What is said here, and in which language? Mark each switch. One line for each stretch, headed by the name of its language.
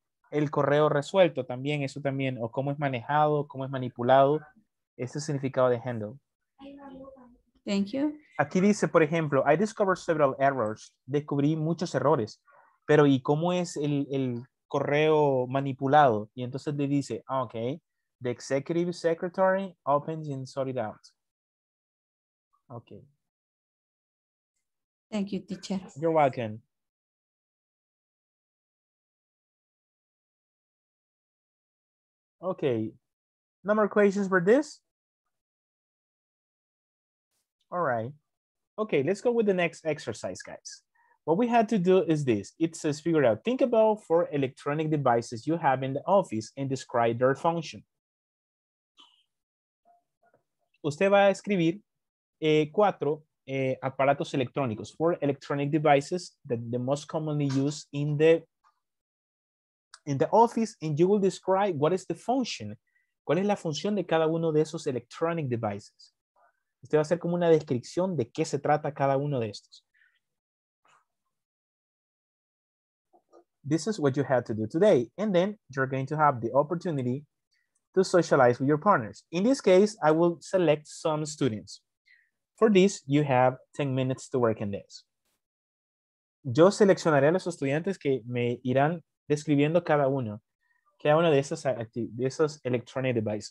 Spanish: El correo resuelto también, eso también, o cómo es manejado, cómo es manipulado, ese es el significado de handle.
English: Thank you.
Spanish: Aquí dice, por ejemplo,
English: I discovered several errors,
Spanish: descubrí muchos errores, pero ¿y cómo es el correo manipulado? Y entonces le dice,
English: ok, the executive secretary opens and sort it out. Ok. Thank you, teacher. You're welcome. Okay, no more questions for this? All right. Okay, let's go with the next exercise, guys. What we had to do is this. It says figure out, think about four electronic devices you have in the office and describe their function.
Spanish: Usted va a escribir cuatro aparatos electrónicos,
English: four electronic devices that the most commonly used in the office, and you will describe what is the function.
Spanish: ¿Cuál es la función de cada uno de esos electronic devices? Usted va a hacer como una descripción de qué se trata cada uno de estos.
English: This is what you have to do today. And then you're going to have the opportunity to socialize with your partners. In this case, I will select some students. For this, you have 10 minutes to work in this.
Spanish: Yo seleccionaré a los estudiantes que me irán describiendo cada una de esas electronic devices.